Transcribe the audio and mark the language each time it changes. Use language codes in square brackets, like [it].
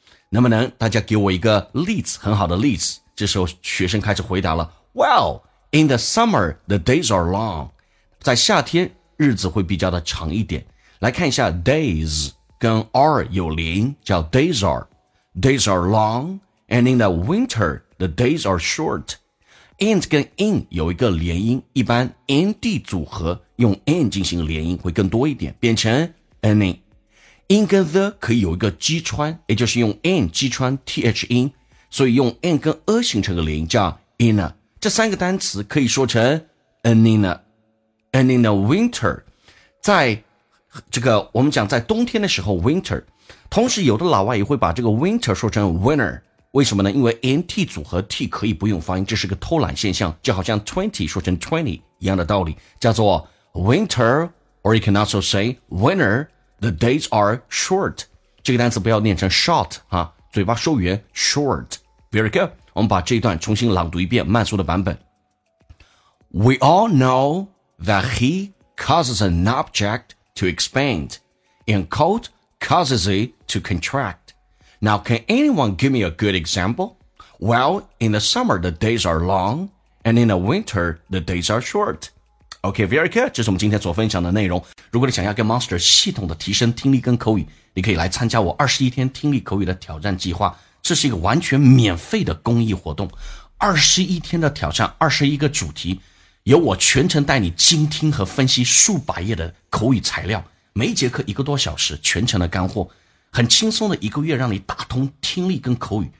[zh] 能不能大家给我一个例子，很好的例子？这时候学生开始回答了， [en] Well, in the summer, the days are long. [zh] 在夏天日子会比较的长一点。来看一下 days 跟 are 有连音，叫 days are. [en] Days are long, and in the winter, the days are short. [zh] and 跟 in 有一个连音，一般 and 组合用 and 进行连音会更多一点，变成 any。 in 跟 the 可以有一个击穿，也就是用 and 击穿 th in， 所以用 and 跟 a 形成个连音，叫 in a。这三个单词可以说成 an in a， an in a winter， 在这个我们讲在冬天的时候 winter。同时有的老外也会把这个 winter 说成 winner，为什么呢？因为 NT 组合 T 可以不用发音，这是个偷懒现象，就好像 twenty 说成 twenty 一样的道理，叫做 winter， [en] or you can also say winner， The days are short. [zh] 这个单词不要念成 [en] short 啊， [zh] 嘴巴收圆 [en] short. Very good. [zh] 我们把这一段重新朗读一遍慢速的版本。 [en] We all know that heat causes an object to expand and cold causes it to contract. Now, can anyone give me a good example? Well, in the summer, the days are long and in the winter, the days are short. Okay, very good. [zh] 这是我们今天所分享的内容。如果你想要跟 Monster 系统的提升听力跟口语，你可以来参加我21天听力口语的挑战计划。这是一个完全免费的公益活动。21天的挑战，21个主题，由我全程带你精听和分析数百页的口语材料，每一节课一个多小时，全程的干货，很轻松的一个月让你打通听力跟口语。